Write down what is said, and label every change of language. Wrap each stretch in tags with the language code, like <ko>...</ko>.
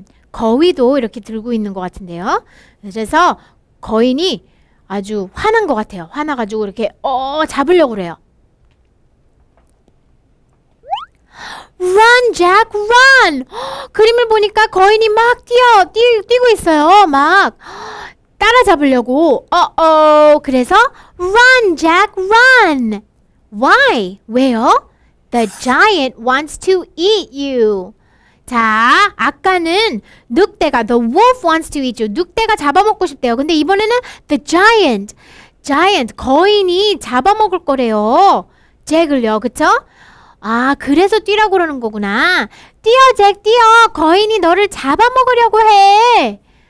<ko>거위도 이렇게 들고 있는 것 같은데요. 그래서 거인이 아주 화난 것 같아요. 화나가지고 이렇게 잡으려고 그래요.</ko> <en>Run, Jack, run!</en> <ko>그림을 보니까 거인이 막 뛰고 있어요. 막 따라잡으려고. 그래서</ko> <en>run, Jack, run! Why?</en> <ko>왜요?</ko> <en>The giant wants to eat you.</en> <ko>자, 아까는 늑대가,</ko> <en>the wolf wants to eat you.</en> <ko>늑대가 잡아먹고 싶대요. 근데 이번에는</ko> <en>the giant.</en> <ko>Giant, 거인이 잡아먹을 거래요. 잭을요, 그쵸? 아, 그래서 뛰라고 그러는 거구나. 뛰어, 잭, 뛰어. 거인이 너를 잡아먹으려고 해.</ko>